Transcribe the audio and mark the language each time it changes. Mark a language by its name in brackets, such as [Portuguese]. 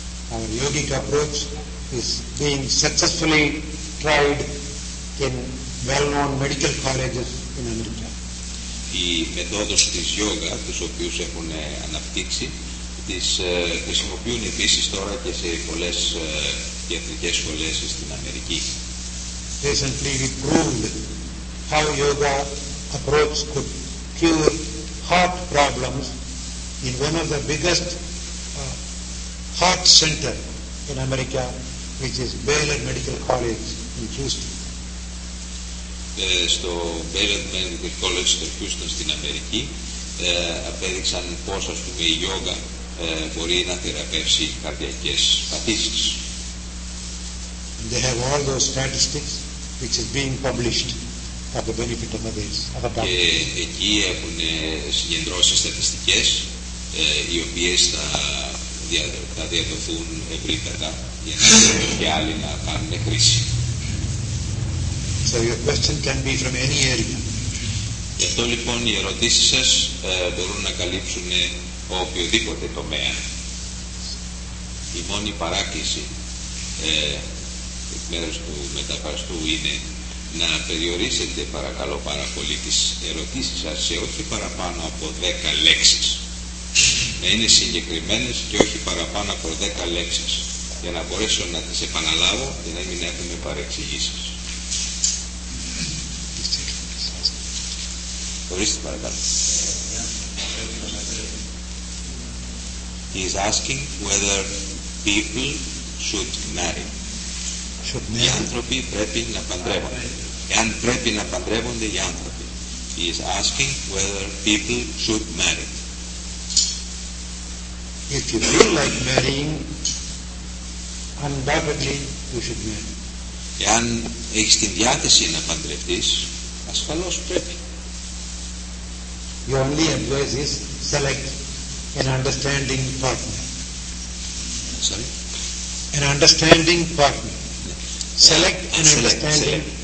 [English] Our yogic approach is being successfully tried in well-known medical colleges in America. [Greek] Η μεθόδος της yoga, τους οποίους έχουν αναπτύξει, τις χρησιμοποιούν επίσης τώρα και σε πολλές ιατρικές σχολές στην Αμερική. [English] Recently we proved how yoga approach could cure heart problems in one of the biggest heart center in America, which is Baylor Medical College in Houston. [Greek] Στο Baylor Medical College στο Houston στην Αμερική απέδειξαν πώς, ας πούμε, η yoga μπορεί να θεραπεύσει καρδιακές παθήσεις. [English] They have all those statistics which is being published for the benefit of others. [Greek] Και εκεί έχουν συγκεντρώσει στατιστικές οι οποίες θα διαδοθούν ευρύτερα και άλλοι να κάνουν χρήση. [English] So your question can be from any area. Γι' αυτό λοιπόν οι ερωτήσεις σας μπορούν να καλύψουν οποιοδήποτε τομέα. [Greek] Η μόνη παράκληση εκ μέρους του μεταφραστού είναι να περιορίσετε, παρακαλώ πάρα πολύ, τις ερωτήσεις σας σε όχι παραπάνω από 10 λέξεις. Να είναι συγκεκριμένες και όχι παραπάνω από 10 λέξεις. Για να μπορέσω να τις επαναλάβω για να μην έχουμε παρεξηγήσεις. Ορίστε, παρακαλώ. [English] He is asking whether people should marry. Should marry. [Greek] Οι άνθρωποι πρέπει να παντρεύονται. Εάν πρέπει να παντρεύονται οι άνθρωποι. [English] He is asking whether people should marry. If you feel like marrying, undoubtedly you should marry. [Greek] Εάν έχεις την διάθεση να παντρευτείς, ασφαλώς πρέπει. [English] Your only advice is select an understanding partner. Sorry? An understanding partner. Select an understanding.